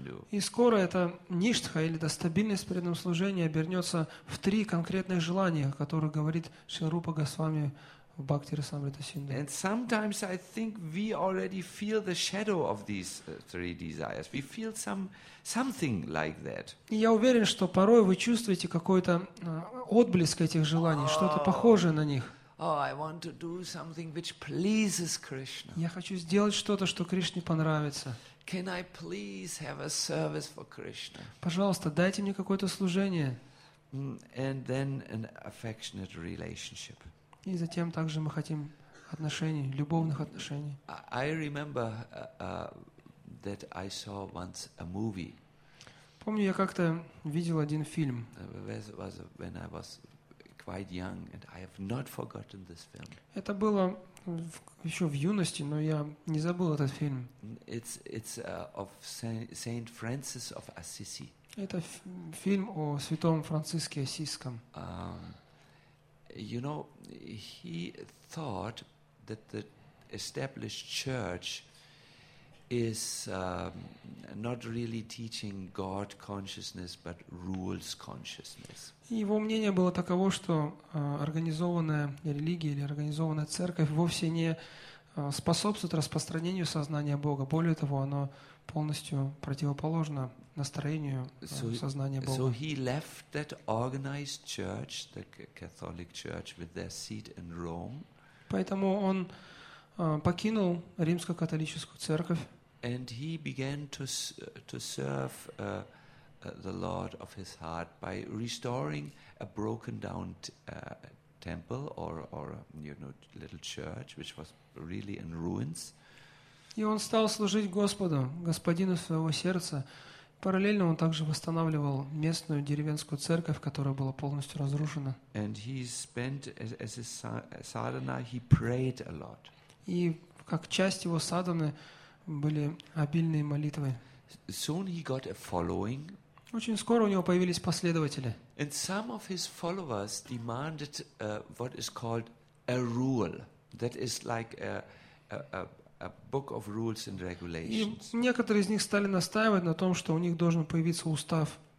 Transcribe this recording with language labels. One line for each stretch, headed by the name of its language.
Russian: И скоро эта ништха или эта стабильность при этом служении обернется в три конкретных желания, о которых говорит Шри Рупа Госвами в Бхакти Расамрита Синду.
English: And sometimes I think we already feel the shadow of these three desires. We feel something like that.
Russian: И я уверен, что порой вы чувствуете какой-то отблеск этих желаний, что-то похожее на них.
English: Oh, I want to do something which pleases Krishna.
Russian: Я хочу сделать что-то, что Кришне понравится.
English: Can I please have a service for Krishna?
Russian: Пожалуйста, дайте мне какое-то служение.
English: And then an affectionate relationship.
Russian: И затем также мы хотим отношений, любовных отношений.
English: I remember that I saw once a movie.
Russian: Помню, я как-то видел один фильм.
English: When I was quite young, and I have not forgotten this film.
Russian: Это было еще в юности, но я не забыл этот фильм.
English: It's of Saint Francis of Assisi.
Russian: Это фильм о святом Франциске Ассизском.
English: You know, he thought that the established church is not really teaching God consciousness, but rules consciousness.
Russian: Его мнение было таково, что организованная религия или организованная церковь вовсе не способствует распространению сознания Бога. Более того, оно полностью противоположно настроению сознания Бога.
English: So he left that organized church, the Catholic Church, with their seat in Rome.
Russian: Поэтому он покинул римско-католическую церковь.
English: And he began to serve the Lord of his heart by restoring a broken down temple or you know, little church which was really in ruins.
Russian: И он стал служить Господу, господину своего сердца. Параллельно он также восстанавливал местную деревенскую церковь, которая была полностью разрушена.
English: And he spent as his sadhana, he prayed a lot.
Russian: И как часть его садханы были обильные молитвы.
English: Soon he got a following.
Russian: Очень скоро у него появились последователи.
English: And some of his followers demanded what is called a rule. That is like a book of rules and regulations.
Russian: И некоторые из них стали настаивать на том, что у них должен появиться устав.